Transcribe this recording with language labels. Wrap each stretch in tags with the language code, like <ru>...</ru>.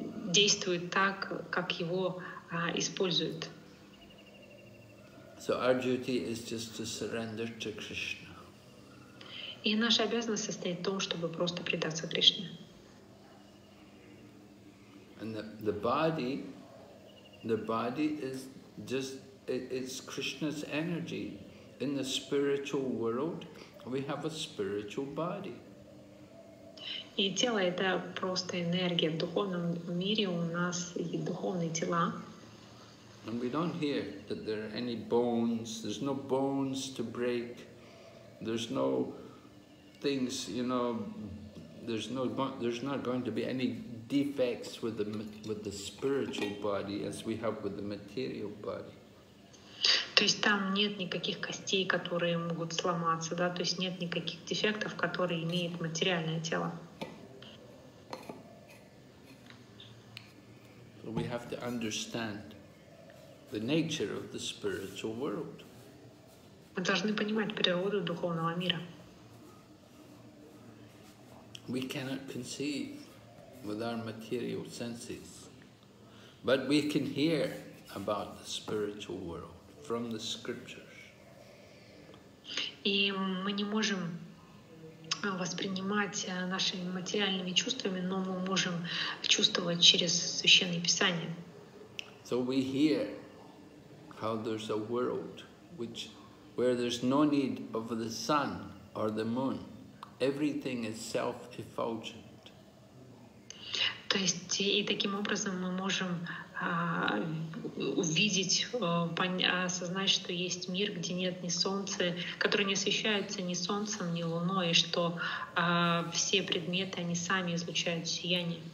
<ru>Действует так, как его используют.</ru> <en>So our duty is just to surrender to Krishna.</en> <ru>И наша обязанность состоит в том, чтобы просто предаться Кришне.</ru> <en>And the body is just it's Krishna's energy. In the spiritual world, we have a spiritual body.</en> <ru>И тело — это просто энергия. В духовном мире у нас и духовные тела.</ru> <en>And we don't hear that there are any bones. There's no bones to break. There's no things, you know, there's not going to be any defects with the spiritual body as we have with the material body.</en> <ru>То есть там нет никаких костей, которые могут сломаться, да? То есть нет никаких дефектов, которые имеет материальное тело.</ru> <en>We have to understand the nature of the spiritual world.</en> <ru>Мы должны понимать природу духовного мира.</ru> <en>We cannot conceive with our material senses, but we can hear about the spiritual world from the scriptures.</en> <ru>И мы не можем воспринимать нашими материальными чувствами, но мы можем чувствовать через Священные Писания.</ru> <en>So we hear how there's a world which, where there's no need of the sun or the moon. Everything is self-effulgent.</en> <ru>То есть и таким образом мы можем осознать, что есть мир, где нет ни солнца, который не освещается ни солнцем, ни луной, и что все предметы, они сами излучают сияние.</ru>